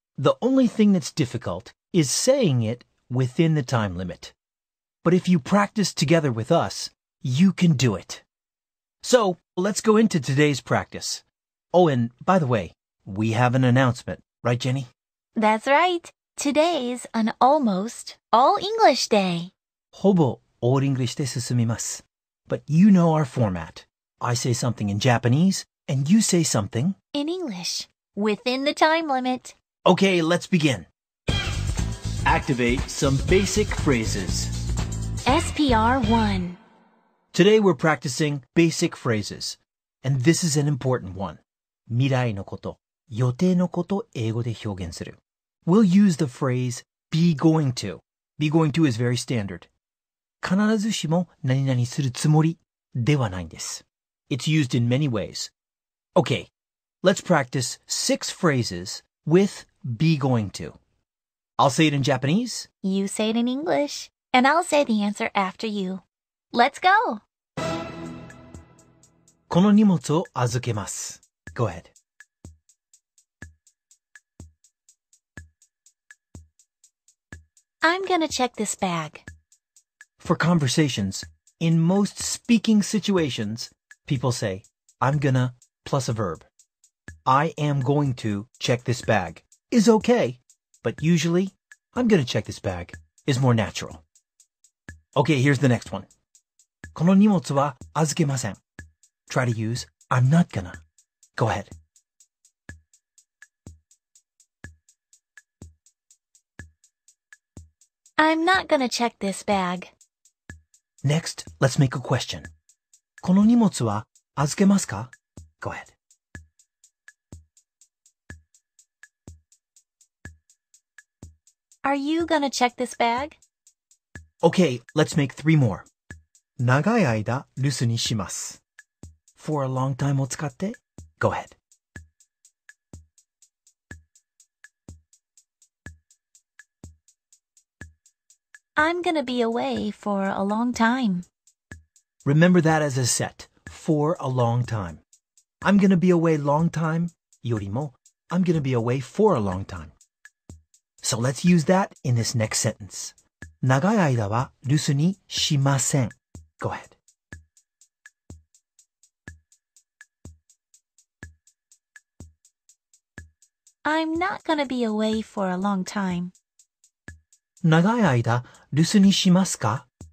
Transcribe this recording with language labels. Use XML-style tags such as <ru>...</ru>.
<en>The only thing that's difficult is saying it within the time limit. But if you practice together with us, you can do it. So, let's go into today's practice. Oh, and by the way, we have an announcement, right, Jenny? That's right. Today's an almost all English day.</en> <ja>ほぼオールイングリッシュで進みます。</ja> <en>But you know our format. I say something in Japanese, and you say something... in English, within the time limit. Okay, let's begin. Activate some basic phrases. SPR 1. Today we're practicing basic phrases, and this is an important one.</en> <ja>未来のこと、予定のこと英語で表現する。</ja> <en>We'll use the phrase be going to. Be going to is very standard.</en> <ja>必ずしも何々するつもりではないんです。</ja> <en>It's used in many ways. Okay, let's practice six phrases with be going to. I'll say it in Japanese. You say it in English. And I'll say the answer after you. Let's go!</en> <ja>この荷物を預けます。</ja> <en>Go ahead. I'm gonna check this bag. For conversations, in most speaking situations, people say, I'm gonna plus a verb. I am going to check this bag is okay, but usually, I'm gonna check this bag is more natural. Okay, here's the next one.</en> <ja>この荷物は預けません。</ja> <en>Try to use I'm not gonna. Go ahead. I'm not gonna check this bag. Next, let's make a question.</en> <ja>この荷物は預けますか?</ja> <en>Go ahead. Are you gonna check this bag? Okay, let's make three more.</en> <ja>長い間留守にします。</ja> <en>For a long time</en> <ja>を使って?</ja> <en>Go ahead. I'm gonna be away for a long time. Remember that as a set, for a long time. I'm gonna be away long time,</en> <ja>よりも</ja> <en>I'm gonna be away for a long time. So let's use that in this next sentence.</en> <ja>長い間は留守にしません。</ja> <en>Go ahead. I'm not gonna be away for a long time.</en> <ja>長い間留守にしますか?</ja>